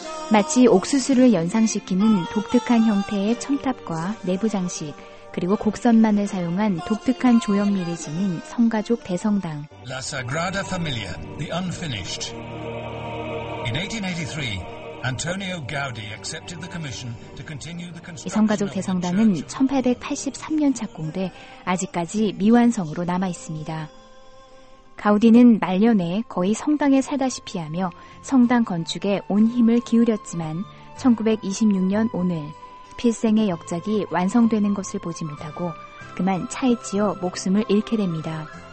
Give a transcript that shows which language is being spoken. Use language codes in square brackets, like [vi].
[ko] 마치 옥수수를 연상시키는 독특한 형태의 첨탑과 내부 장식, 그리고 곡선만을 사용한 독특한 조형미를 지닌 성가족 대성당. [en] La Sagrada Familia, the unfinished. In 1883, Antonio Gaudi accepted the commission to continue the construction. [ko] 이 성가족 대성당은 1883년 착공돼 아직까지 미완성으로 남아 있습니다. 가우디는 말년에 거의 성당에 살다시피 하며 성당 건축에 온 힘을 기울였지만 1926년 오늘 필생의 역작이 완성되는 것을 보지 못하고 그만 차에 치여 목숨을 잃게 됩니다.